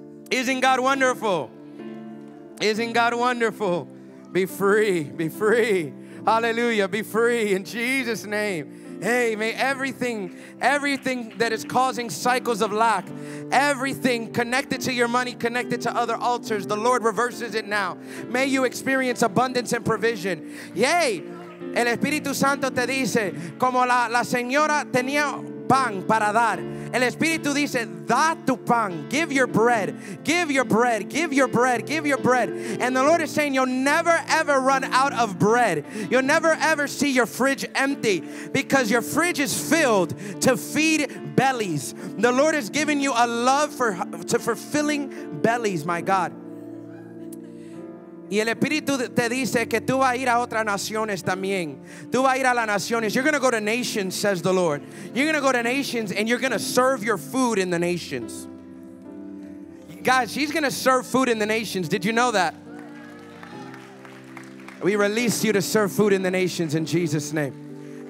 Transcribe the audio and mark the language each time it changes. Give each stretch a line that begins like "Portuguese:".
English: Isn't God wonderful? Isn't God wonderful? Be free. Be free. Hallelujah. Be free in Jesus' name. Hey, may everything that is causing cycles of lack, everything connected to your money, connected to other altars, the Lord reverses it now. May you experience abundance and provision. Yay!
Spanish: El Espíritu Santo te dice, como la señora tenía pan para dar. El Espíritu dice, da tu pan.
English: Give your bread. Give your bread. Give your bread. Give your bread. And the Lord is saying, you'll never ever run out of bread. You'll never ever see your fridge empty because your fridge is filled to feed bellies. The Lord has given you a love for fulfilling bellies, my God.
Spanish: Y el Espíritu te dice que tú vas a ir a otras naciones también. Tú vas a ir a las naciones.
English: You're going to go to nations, says the Lord. You're going to go to nations and you're going to serve your food in the nations. Guys, she's going to serve food in the nations. Did you know that? We release you to serve food in the nations in Jesus' name.